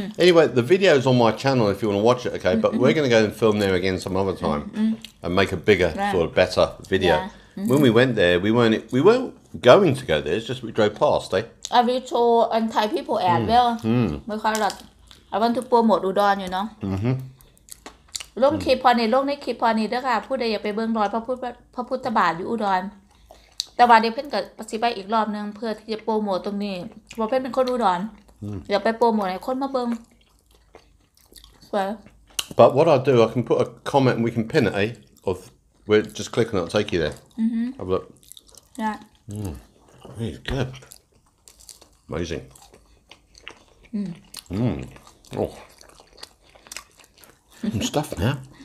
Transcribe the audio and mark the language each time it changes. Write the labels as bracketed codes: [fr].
[en] Anyway, the video is on my channel if you want to watch it, okay? But we're going to go and film there again some other time and make a bigger, sort of better video. When we went there, we weren't going to go there. It's just we drove past, eh? I will show and Thai people as well. I want to promote Udon, you know. [th] ลงคลิปพอนี่ลงในคลิปพอนี่ด้วยค่ะพูดได้อย่าไปเบิ่งรอยพระพุทธบาทอยู่อุดรแต่ว่าเดี๋ยวเพิ่นก็สิไปอีกรอบนึงเพื่อที่จะโปรโมทตรงนี้บ่เพิ่นเป็นคนอุดรอย่าไปโปรโมทให้คนมาเบิ่ง [en] ว่า But what I'll do I can put a comment and we can pin it eh of we're just clicking it'll take you there Have a look Yeah It's good Amazing I'm stuffed now.